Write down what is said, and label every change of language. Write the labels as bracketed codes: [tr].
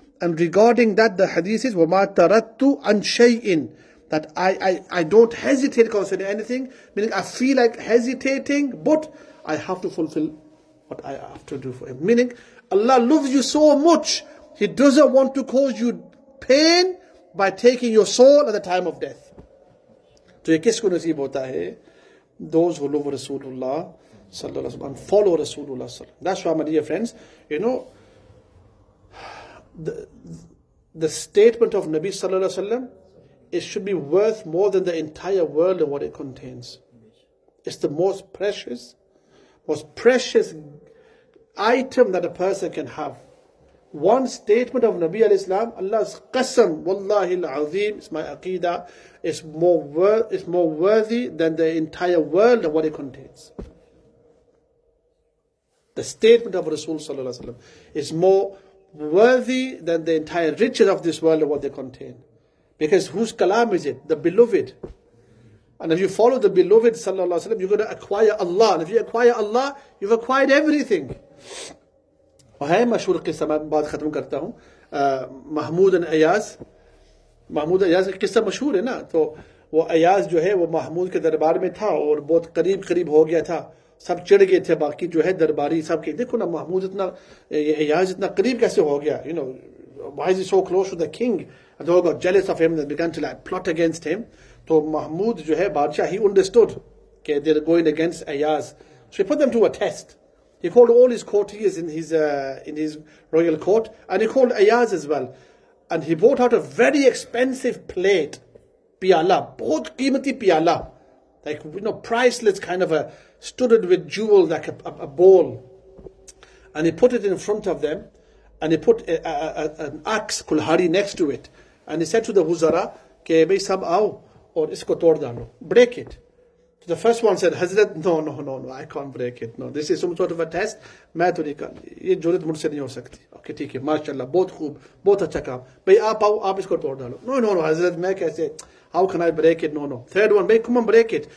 [en] And regarding that, the Hadith is, [ar] وَمَا تَرَدْتُ عَنْ شَيْءٍ, [en] that I don't hesitate concerning anything, meaning I feel like hesitating, but I have to fulfill what I have to do for him. Meaning, Allah loves you so much, He doesn't want to cause you pain by taking your soul at the time of death. [ur] So، یہ کس کو نصیب ہوتا ہے؟ [en] Those who love Rasulullah sallallahu alaihi wasallam, follow Rasulullah sallallahu alaihi wasallam. That's why, my dear friends, you know, the statement of Nabi sallallahu alaihi wasallam, it should be worth more than the entire world and what it contains. It's the most precious item that a person can have. One statement of Nabi al-Islam, Allah's qasam, wallahi al-azim, it's my aqeedah, is more worthy than the entire world and what it contains. The statement of Rasul sallallahu alaihi wasallam is more worthy than the entire riches of this world and what they contain. Because whose kalam is it? The beloved. And if you follow the beloved sallallahu alaihi wasallam, you're going to acquire Allah. And if you acquire Allah, you've acquired everything. [ur] وهي مشهور قصة بعد ختم کرتا ہوں محمود ایاز کی قصہ مشہور ہے نا تو وہ ایاز جو ہے وہ محمود کے دربار میں تھا اور بہت قریب ہو گیا تھا سب چڑ گئے تھے باقی جو ہے درباری سب کہ دیکھو نا محمود اتنا ایاز اتنا قریب کیسے ہو گیا [en] you know why is he so close to the king and they all got jealous of him and began to like plot against him [ur] تو محمود جو ہے بادشاہ [en] he understood [ur] کہ [en] they're going against [ur] Ayaz [en] so he put them to a test. He called all his courtiers in his royal court, and he called Ayaz as well. And he brought out a very expensive plate, piala, bahut qeemati piala, like, you know, priceless kind of a, studded with jewels, like a bowl. And he put it in front of them, and he put an axe, kulhari, next to it. And he said to the wuzara, [ur] کہ بھائی سب آؤ، اور اس کو توڑ ڈالو، [en] break it. The first one said, Hazrat, no, I can't break it. No, this is some sort of a test. [ur] میں تو نہیں کر۔ یہ جرأت مجھ سے نہیں ہو سکتی۔ Okay، ٹھیک ہے۔ ماشاءاللہ، بہت خوب، بہت اچھا کام۔ بھائی، آپ آؤ، آپ اس کو توڑ ڈالو۔ No، حضرت، میں کیسے؟ [en] How can I break it? No. Third one, bhai, come on, break it.